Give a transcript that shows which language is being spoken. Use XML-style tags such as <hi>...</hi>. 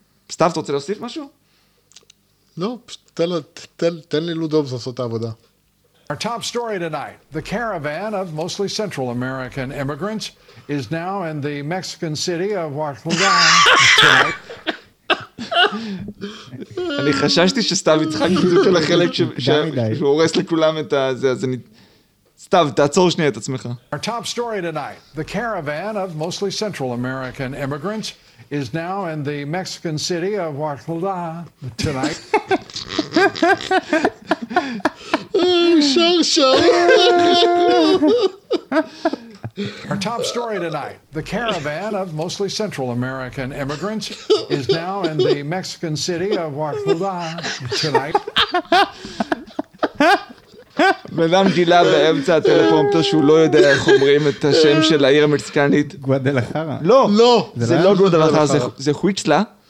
<he>וסתיו, אתה רוצה להוסיף משהו? לא, תן לי Lou Dobbs לעשות את העבודה.</he> <en>Our top story tonight, the caravan of mostly Central American immigrants is now in the Mexican city of Oaxaca.</en> <he>אני חששתי שסתיו יצחק בדיוק על החלק שהוא הורס לכולם את זה, אז אני... סתיו, תעצור שנייה את עצמך.</he> <en>Our top story tonight, the caravan of mostly Central American immigrants is now in the Mexican city of Oaxaca tonight. Our top story tonight, the caravan of mostly Central American immigrants is now in the Mexican city of Oaxaca tonight.</en> <he>מנם גילה באמצע הטלפרומפטר שהוא לא יודע איך אומרים את השם של העיר המקסיקנית. גוואדלחרה. לא, לא. זה לא גוואדלחרה, זה חוויצ'לה.</he>